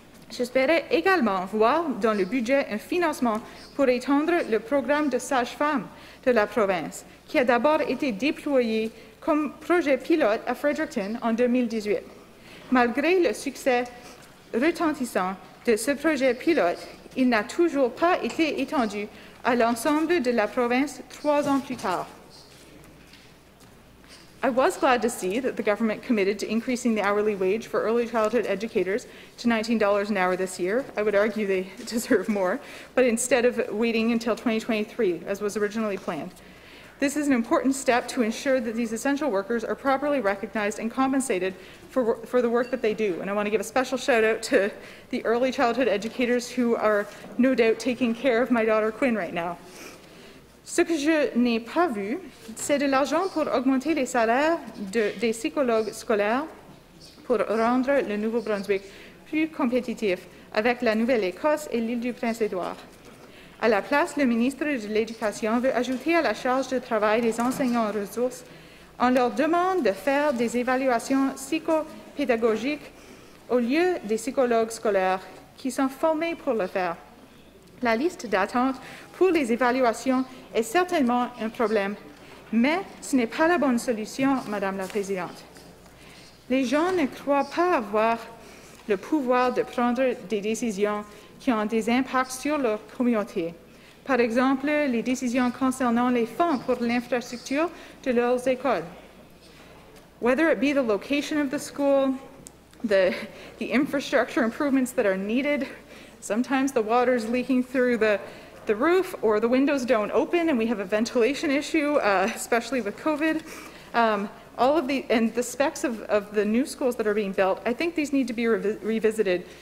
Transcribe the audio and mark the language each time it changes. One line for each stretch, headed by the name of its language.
French: J'espérais également voir dans le budget un financement pour étendre le programme de sages-femmes de la province, qui a d'abord été déployé comme projet pilote à Fredericton en 2018. Malgré le succès retentissant de ce projet pilote, il n'a toujours pas été étendu à l'ensemble de la province 3 ans plus tard.
English: I was glad to see that the government committed to increasing the hourly wage for early childhood educators to $19 an hour this year. I would argue they deserve more, but instead of waiting until 2023, as was originally planned. This is an important step to ensure that these essential workers are properly recognized and compensated for the work that they do. And I want to give a special shout out to the early childhood educators who are no doubt taking care of my daughter Quinn right now.
French: Ce que je n'ai pas vu, c'est de l'argent pour augmenter les salaires des psychologues scolaires pour rendre le Nouveau-Brunswick plus compétitif avec la Nouvelle-Écosse et l'île du Prince-Édouard. À la place, le ministre de l'Éducation veut ajouter à la charge de travail des enseignants ressources en leur demande de faire des évaluations psychopédagogiques au lieu des psychologues scolaires qui sont formés pour le faire. La liste d'attente pour les évaluations est certainement un problème, mais ce n'est pas la bonne solution, Madame la Présidente. Les gens ne croient pas avoir le pouvoir de prendre des décisions qui ont des impacts sur leur communauté. Par exemple, les décisions concernant les fonds pour l'infrastructure de leurs écoles.
English: Whether it be the location of the school, the infrastructure improvements that are needed, sometimes the water's leaking through the roof, or the windows don't open and we have a ventilation issue, especially with COVID. All of the, and the specs of the new schools that are being built, I think these need to be revisited.